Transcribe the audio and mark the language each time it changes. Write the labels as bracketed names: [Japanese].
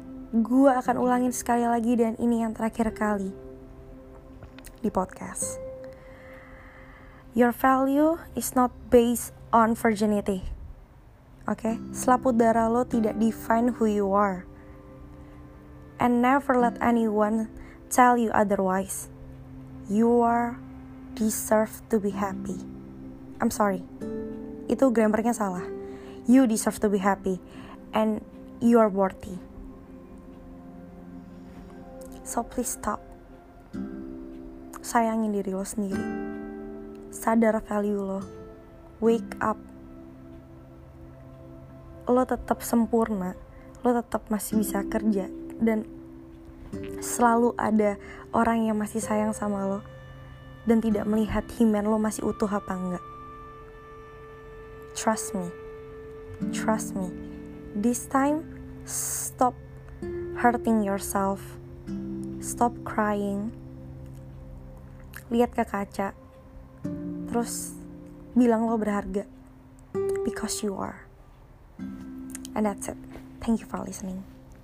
[Indonesian] Gue akan ulangin sekali lagi dan ini yang terakhir kali di podcast. [English] Your value is not based on virginity. Okay? [Indonesian] Selaput darah lo tidak [English] define who you are. And never let anyone tell you otherwise. You are deserve to be happy. I'm sorry. [Indonesian] Itu grammarnya salah. [English] You deserve to be happy. And you are worthy. So please stop. [Indonesian] Sayangin diri lo sendiri. Sadar value lo. [English] Wake up. [Indonesian] Lo tetap sempurna. Lo tetap masih bisa kerja. Dan selalu ada orang yang masih sayang sama lo. Dan tidak melihat himen lo masih utuh apa enggak. [English] Trust me. Trust me. This time, stop hurting yourself. Stop crying. [Indonesian] Lihat ke kaca. Terus bilang lo berharga. [English] Because you are. And that's it. Thank you for listening.